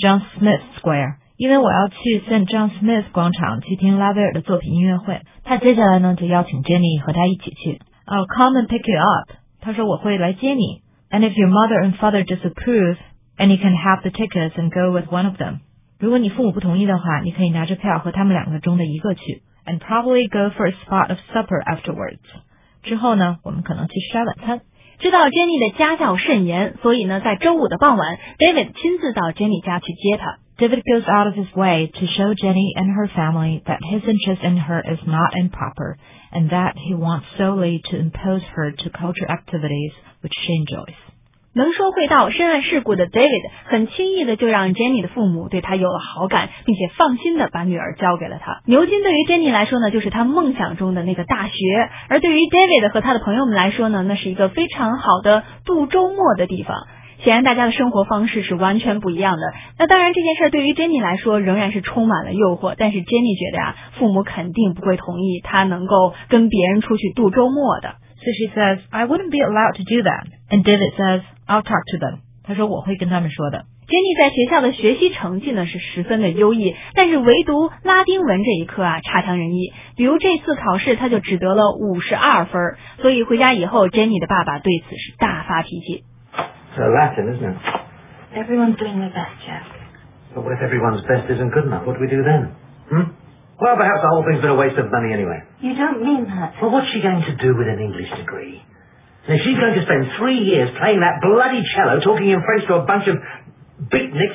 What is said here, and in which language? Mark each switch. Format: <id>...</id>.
<zh>John Smith Square. 因为我要去 St. John Smith 广场去听拉威尔的作品音乐会。他接下来呢就邀请 Jenny 和他一起去。</zh> <en>I'll come and pick you up.</en> <zh>他说我会来接你。</zh> <en>And if your mother and father disapprove, and you can have the tickets and go with one of them.</en> <zh>如果你父母不同意的话，你可以拿着票和他们两个中的一个去。</zh> <en>And probably go for a spot of supper afterwards.</en> <zh>之后呢，我们可能去吃晚餐。知道 Jenny 的家教甚严，所以呢，在周五的傍晚 ，David 亲自到 Jenny 家去接她。</zh> <en>David goes out of his way to show Jenny and her family that his interest in her is not improper, and that he wants solely to impose her to culture activities which she enjoys.</en> <zh>能说会道、深谙世故的 David 很轻易的就让 Jenny 的父母对他有了好感，并且放心的把女儿交给了他。牛津对于 Jenny 来说呢，就是他梦想中的那个大学，而对于 David 和他的朋友们来说呢，那是一个非常好的度周末的地方。显然大家的生活方式是完全不一样的。那当然这件事对于 Jenny 来说仍然是充满了诱惑，但是 Jenny 觉得啊，父母肯定不会同意他能够跟别人出去度周末的。</zh> <en>So she says, I wouldn't be allowed to do that. And David says, I'll talk to them.</en> <zh>他说我会跟他们说的。 Jenny 在学校的学习成绩呢是十分的优异，但是唯独拉丁文这一科啊差强人意。比如这次考试他就只得了52分，所以回家以后 Jenny 的爸爸对此是大发脾气。</zh> <en>It's a Latin, isn't it? Everyone's doing their best, Jeff. But what if everyone's best isn't good enough? What do we do then? Well, perhaps the whole thing's been a waste of money anyway. You don't mean that. Well, what's she going to do with an English degree? Now, she's going to spend 3 years playing that bloody cello, talking in French to a bunch of beatniks.</en>